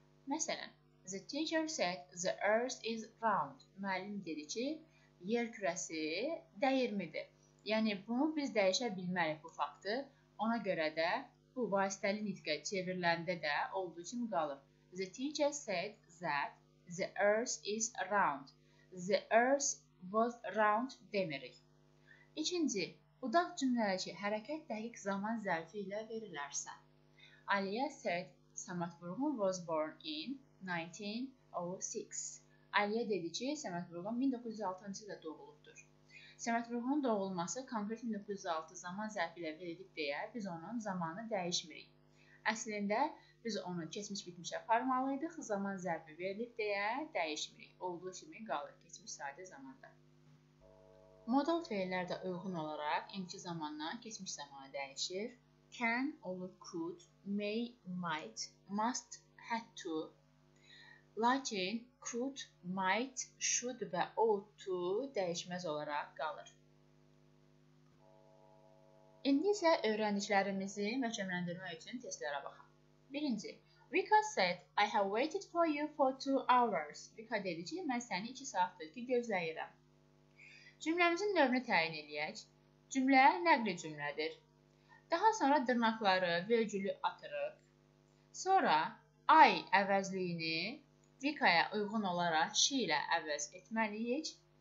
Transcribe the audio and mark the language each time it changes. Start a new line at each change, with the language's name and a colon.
English: Məsələn, the teacher said the earth is round.
Azerbaijani: Müəllim dedi ki, yer kürəsi dəyirmidir. Yəni, bunu biz dəyişə bilməliyik bu faktı. Ona görə də bu vasitəli nitqə çevriləndə də olduğu kimi qalır.
English: The teacher said that the earth is round. The earth was round demirik.
Azerbaijani: İkinci, budaq cümlədəki hərəkət dəqiq zaman zərfi ilə verilərsə.
English: Aliya said, Samad Vurğun was born in 1906.
Azerbaijani: Aliya dedi ki, Samad Vurğun 1906-cı ilə doğulubdur. Samad Vurğun doğulması konkret 1906 zaman zərfi ilə verilib deyə biz onun zamanı dəyişmirik. Əslində, biz onu keçmiş bitmişə aparmalıydıq, zaman zərbi verilib deyə dəyişmirik. Olduğu kimi qalır keçmiş sadə zamanda. Modal fəillərdə uyğun olaraq indiki zamandan keçmiş zamana dəyişir.
English: Can, olur, could, may, might, must, had to.
Azerbaijani: Lakin, could, might, should və ought to dəyişməz olaraq qalır. İndi isə öyrəndiklərimizi möhkəmləndirmək üçün testlərə baxaq.
English: Birinci, Vika said, I have waited for you for 2 hours.
Azerbaijani: Vika dedi ki, mən səni 2 saatdır ki, gözləyirəm. Cümləmizin növünü təyin edək. Cümlə nəqli cümlədir. Daha sonra dırnaqları, virgülü atırıq. Sonra, I əvəzliyini Vika'ya uyğun olaraq she ilə əvəz etməliyik.